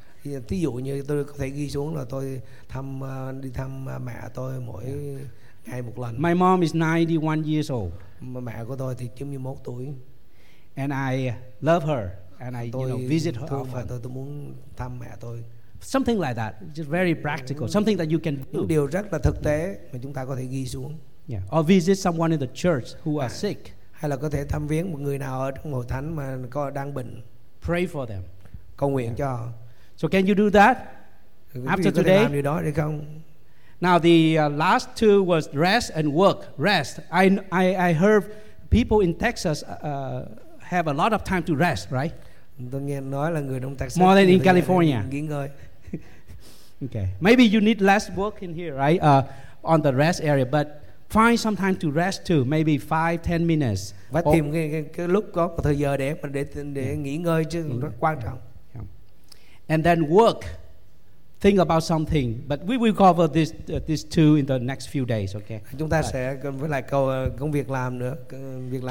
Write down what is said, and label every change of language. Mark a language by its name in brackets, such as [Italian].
[Vietnamese] Ví dụ như tôi có thể ghi xuống là tôi đi thăm mẹ tôi mỗi ngày một lần. [English] My mom is 91 years old. [Vietnamese] Mẹ của tôi thì 91 tuổi. [English] And I love her and I visit her often. [Vietnamese] Tôi muốn thăm mẹ tôi. [English] Something like that. Just very practical. Something that you can do. [Vietnamese] Điều rất là thực tế mà chúng ta có thể ghi xuống. Yeah. [English] Or visit someone in the church who are sick. [Vietnamese] Hay là có thể thăm viếng một người nào ở trong hội thánh mà có đang bệnh. [English] Pray for them. [Vietnamese] Cầu nguyện cho. [English] So can you do that after today? [Vietnamese] Làm điều đó được không? [English] Now the last two was rest and work. Rest. I heard people in Texas have a lot of time to rest, right? [Vietnamese] Tôi nghe nói là người trong Texas. [English] More than in California. [Vietnamese] Nghỉ ngơi. Okay. [English] Maybe you need less work in here, right? On the rest area, but find some time to rest too, maybe 5-10 minutes. [Vietnamese] Và tìm cái lúc có thời giờ để nghỉ ngơi chứ rất quan trọng. [English] And then work. Think about something, but we will cover this two in the next few days, okay? [Vietnamese] Chúng ta sẽ cùng với lại câu công việc làm nữa, việc làm.